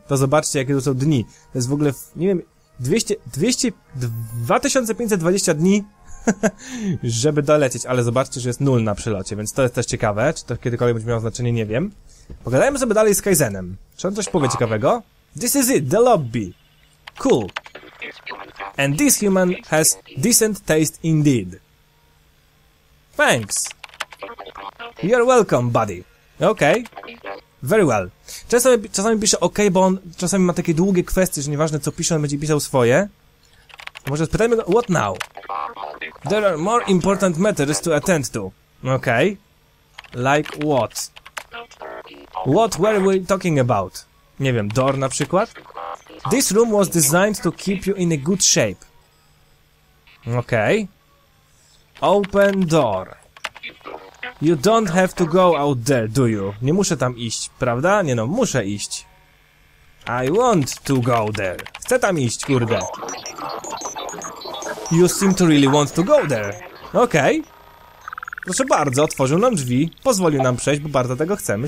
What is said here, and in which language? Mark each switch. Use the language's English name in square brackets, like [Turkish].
[Polish] To zobaczcie, jakie to są dni. To jest w ogóle, nie wiem, 2520 dni. Żeby dolecieć, ale zobaczcie, że jest 0 na przelocie, więc to jest też ciekawe. Czy to kiedykolwiek będzie miało znaczenie, nie wiem. Pogadajmy sobie dalej z Kaizenem. Czy on coś powie ciekawego? [English] This is it, the lobby. Cool. And this human has decent taste indeed. Thanks. You're welcome, buddy. Okay. Very well. [Polish] Czasami pisze ok, bo on czasami ma takie długie kwestie, że nieważne co pisze, on będzie pisał swoje. Może spytajmy go, [English] what now? There are more important matters to attend to. Okay. Like what? What were we talking about? [Polish] Nie wiem, door na przykład? [English] This room was designed to keep you in a good shape. Okay. Open door. You don't have to go out there, do you? [Polish] Nie muszę tam iść, prawda? Nie no, muszę iść. [English] I want to go there. [Polish] Chcę tam iść, kurde. [English] You seem to really want to go there. Okej. Okay. [Polish] Proszę bardzo, otworzył nam drzwi. Pozwolił nam przejść, bo bardzo tego chcemy.